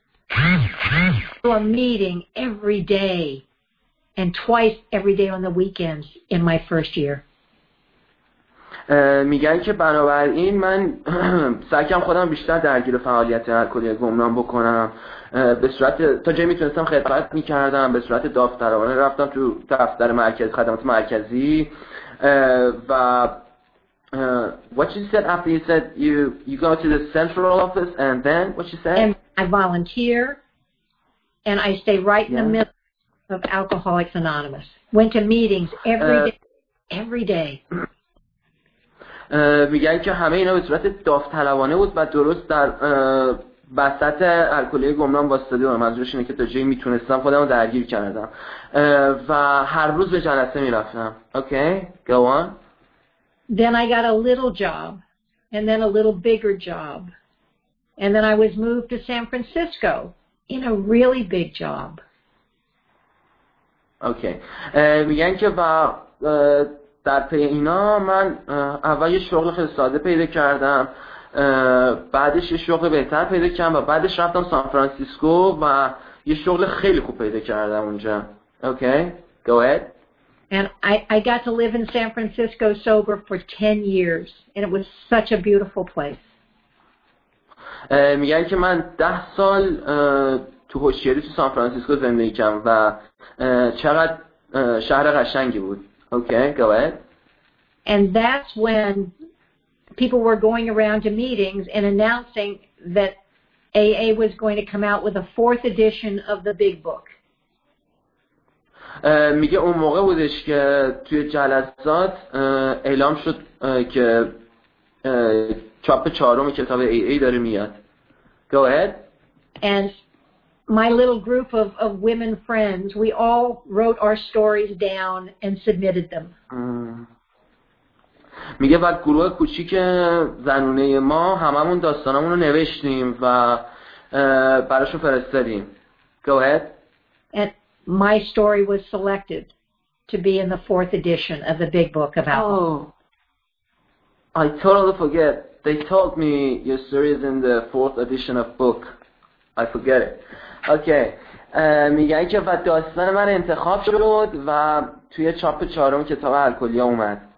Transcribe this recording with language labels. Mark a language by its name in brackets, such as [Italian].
[English] To a meeting every day and twice every day on the weekends in my first year. [Persian] میگن که بنابراین من سعی کردم خودم بیشتر درگیر فعالیت الکلی گمنام بکنم. به صورت تا جایی میتونستم خدمت میکردم، به صورت داوطلبانه رفتم تو دفتر مرکز خدمات مرکزی. [English] و what you said after you said you go to the central office and then what you said? And I volunteer and I stay right in the middle of Alcoholics Anonymous. Went to meetings every day. [Persian] میگن که همه اینا به صورت داوطلبانه بود و درست در وسط الکلی گمنام واسطه بودم. منظورش اینه که تا جایی میتونستم خودم رو درگیر کردم و هر روز به جلسه میرفتم. [English] Okay, go on. Then I got a little job and then a little bigger job. And then I was moved to San Francisco in a really big job. Okay. [Persian] میگن که و در پی اینا من اول یه شغل خیلی ساده پیدا کردم، بعدش یه شغل بهتر پیدا کردم و بعدش رفتم سان فرانسیسکو و یه شغل خیلی خوب پیدا کردم اونجا. [English] Okay, go ahead. And I got to live in San Francisco sober for 10 years and it was such a beautiful place. [Persian] میگن که من 10 سال تو هوشیاری تو سان فرانسیسکو زندگی کردم و چقدر شهر قشنگی بود. [English] Okay, go ahead. And that's when people were going around to meetings and announcing that AA was going to come out with a fourth edition of the big book. [Persian] میگه اون موقع بودش که توی جلسات اعلام شد که چاپ چهارم کتاب AA داره میاد. [English] Go ahead. And my little group of women friends, we all wrote our stories down and submitted them. [Persian] میگه بعد گروه کوچیک زنونه ما هممون داستانمون رو نوشتیم و براشون فرستادیم. [English] Go ahead. And my story was selected to be in the fourth edition of the big book of Alcoholics. Oh, I totally forget. They told me your story is in the fourth edition of book. I forget it. Okay. [Persian] میگه که و داستان من انتخاب شد و توی چاپ چهارم کتاب الکلی اومد.